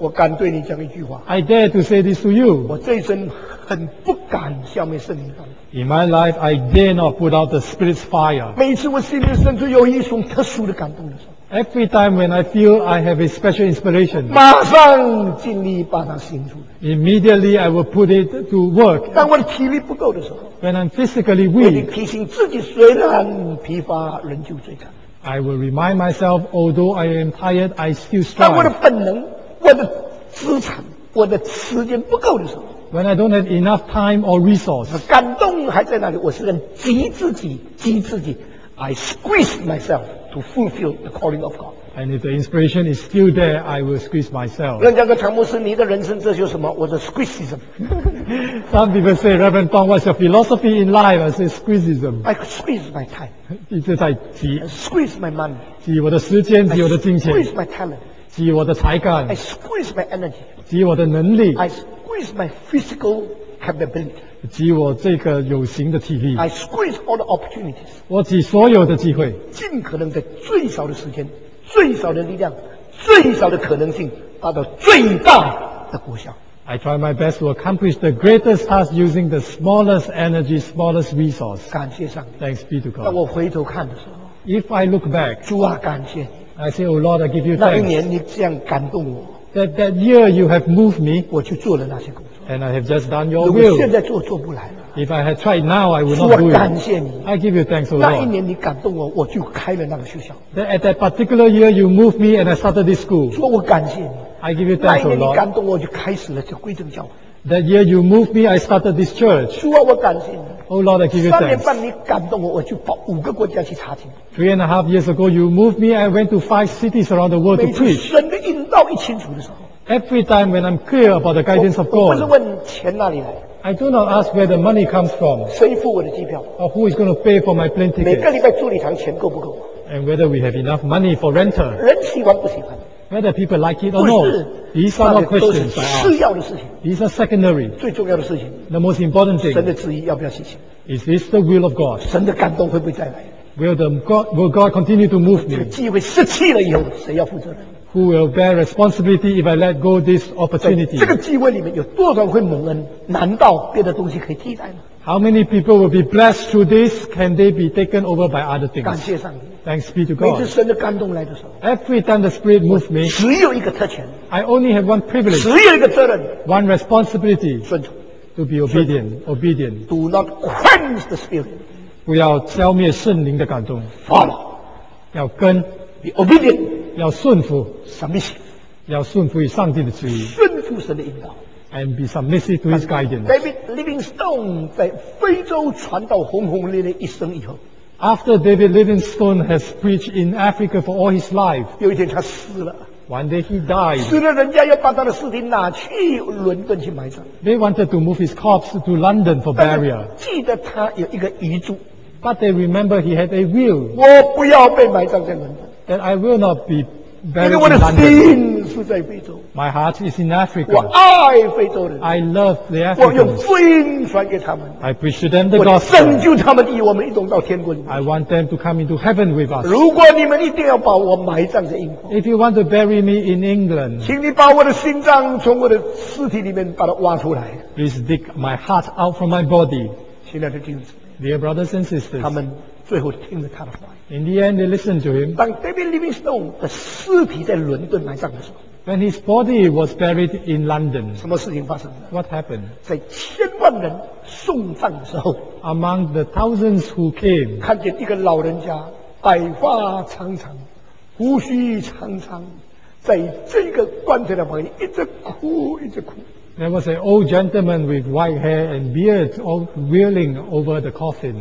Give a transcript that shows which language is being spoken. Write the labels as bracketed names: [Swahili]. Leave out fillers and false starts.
[Chinese] 我敢对你讲一句话。 [English] I dare to say this to you. [Chinese] 我这一生很不敢消灭圣灵的感动。 [English] In my life, I dare not put out the Spirit's fire. [Chinese] 每次我心里深处有一种特殊的感动的时候。 [English] Every time when I feel I have a special inspiration, [Chinese] 马上尽力把它行出。 [English] Immediately I will put it to work. [Chinese] 当我的体力不够的时候， [English] when I'm physically weak, [Chinese] 我已经提醒自己，虽然疲乏，仍旧追赶。 [English] I will remind myself, although I am tired, I still strive. [Chinese] 当我的本能、我的资产、我的时间不够的时候， [English] when I don't have enough time or resource, [Chinese] 感动还在那里，我是在挤自己，挤自己。 [English] I squeeze myself to fulfill the calling of God. And if the inspiration is still there, I will squeeze myself. [Chinese] 人家个常牧师，你的人生这就是什么？我的 squeezeism. [English] Some people say, Reverend Tong, what's your philosophy in life? I say squeezeism. I squeeze my time. [Chinese] 一直在挤。 [English] I squeeze my money. [Chinese] 挤我的时间，挤我的金钱。 [English] I squeeze my talent. [Chinese] 挤我的才干。 [English] I squeeze my energy. [Chinese] 挤我的能力。 [English] I squeeze my physical capability. [Chinese] 挤我这个有形的体力。 [English] I squeeze all the opportunities. [Chinese] 我挤所有的机会。尽可能在最少的时间、最少的力量、最少的可能性，达到最大的果效。 [English] I try my best to accomplish the greatest task using the smallest energy, smallest resource. [Chinese] 感谢上帝。 [English] Thanks be to God. [Chinese] 当我回头看的时候， [English] If I look back, [Chinese] 主啊，感谢。 [English] I say, Oh Lord, I give you thanks. [Chinese] 那一年你这样感动我。 [English] That year you have moved me. [Chinese] 我去做了那些工作。 [English] And I have just done your will. [Chinese] 如果现在做做不来了。 [English] If I had tried now, I would not do it. [Chinese] 感谢你。 [English] I give you thanks, O Lord. [Chinese] 那一年你感动我，我就开了那个学校。 [English] That at that particular year you moved me and I started this school. [Chinese] 说我感谢你。 [English] I give you thanks, O Lord. [Chinese] 那一年你感动我，就开始了这归正教会。 [English] That year you moved me, I started this church. [Chinese] 说我感谢你。 [English] Oh Lord, I give you thanks. [Chinese] 三年半你感动我，我就跑五个国家去查经。 [English] Three and a half years ago, you moved me, I went to five cities around the world to preach. [Chinese] 每次神的引导一清楚的时候。 [English] Every time when I'm clear about the guidance of God, [Chinese] 我不是问钱哪里来。 [English] I do not ask where the money comes from. [Chinese] 谁付我的机票？ [English] Or who is going to pay for my plane ticket? [Chinese] 每个礼拜住礼堂钱够不够？ [English] And whether we have enough money for renter. [Chinese] 人喜欢不喜欢？ [English] Whether people like it or not, these are not questions. [Chinese] 次要的事情。 [English] These are secondary. [Chinese] 最重要的事情。 [English] The most important thing. [Chinese] 神的旨意要不要实行？ [English] Is this the will of God? [Chinese] 神的感动会不会再来？ [English] Will God continue to move me? [Chinese] 这个机会失去了以后，谁要负责任？ [English] Who will bear responsibility if I let go this opportunity? [Chinese] 这个机会里面有多少会蒙恩？难道别的东西可以替代吗？ [English] How many people will be blessed through this? Can they be taken over by other things? [Chinese] 感谢上帝。 [English] Thanks be to God. [Chinese] 每次神的感动来的时候。 [English] Every time the Spirit moves me. [Chinese] 只有一个特权。 [English] I only have one privilege. [Chinese] 只有一个责任。 [English] One responsibility. [Chinese] 顺从。 [English] To be obedient. [Chinese] 顺从。 [English] Obedient. Do not quench the Spirit. [Chinese] 不要消灭圣灵的感动。 [English] Follow. [Chinese] 要跟。 [English] Be obedient. [Chinese] 要顺服。 [English] Submission. [Chinese] 要顺服于上帝的旨意。顺服神的引导。 [English] And be submissive to his guidance. [Chinese] David Livingstone 在非洲传道轰轰烈烈一生以后。 [English] After David Livingstone has preached in Africa for all his life. [Chinese] 有一天他死了。 [English] One day he died. [Chinese] 死了人家要把他的尸体拿去伦敦去埋葬。 [English] They wanted to move his corpse to London for burial. [Chinese] 记得他有一个遗嘱。 [English] But they remember he had a will. [Chinese] 我不要被埋葬在伦敦。 [English] That I will not be. [Chinese] 因为我的心是在非洲。 [English] My heart is in Africa. [Chinese] 我爱非洲人。 [English] I love the Africans. [Chinese] 我用福音传给他们。 [English] I preach to them the gospel. [Chinese] 我拯救他们，与我们一同到天国里。 [English] I want them to come into heaven with us. [Chinese] 如果你们一定要把我埋葬在英国。 [English] If you want to bury me in England. [Chinese] 请你把我的心脏从我的尸体里面把它挖出来。 [English] Please dig my heart out from my body. [Chinese] 亲爱的弟兄姊妹。 [English] Dear brothers and sisters. [Chinese] 他们最后听了他的话。 [English] In the end, they listened to him. [Chinese] 当 David Livingstone 的尸体在伦敦埋葬的时候， [English] When his body was buried in London, [Chinese] 什么事情发生了？ [English] What happened? [Chinese] 在千万人送葬的时候， [English] Among the thousands who came, [Chinese] 看见一个老人家白发苍苍，胡须苍苍，在这个棺材的旁边一直哭一直哭。 [English] There was an old gentleman with white hair and beard, all wailing over the coffin.